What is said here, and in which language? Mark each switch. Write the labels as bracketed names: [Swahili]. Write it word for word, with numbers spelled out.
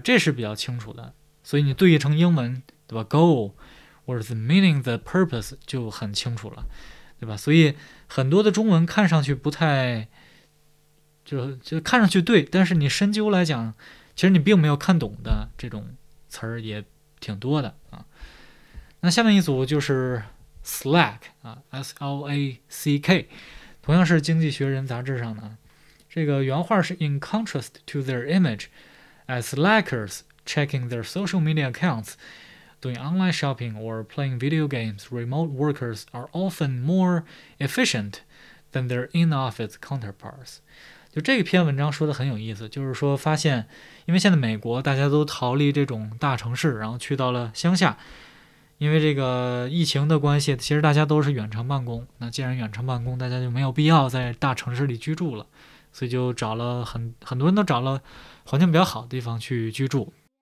[Chinese] 这是比较清楚的。所以你对译成英文，对吧 ？ [English] Goal or the meaning, the purpose [Chinese] 就很清楚了，对吧？所以很多的中文看上去不太，就就看上去对，但是你深究来讲，其实你并没有看懂的这种词儿也挺多的啊。那下面一组就是。 [English] Slack 啊 ，S L A C K， [Chinese] 同样是《经济学人》杂志上的，这个原话是 [English] In contrast to their image, as slackers checking their social media accounts, doing online shopping or playing video games, remote workers are often more efficient than their in-office counterparts。 [Chinese] 就这篇文章说的很有意思，就是说发现，因为现在美国大家都逃离这种大城市，然后去到了乡下。因为这个疫情的关系，其实大家都是远程办公。那既然远程办公，大家就没有必要在大城市里居住了，所以就找了很很多人都找了环境比较好的地方去居住。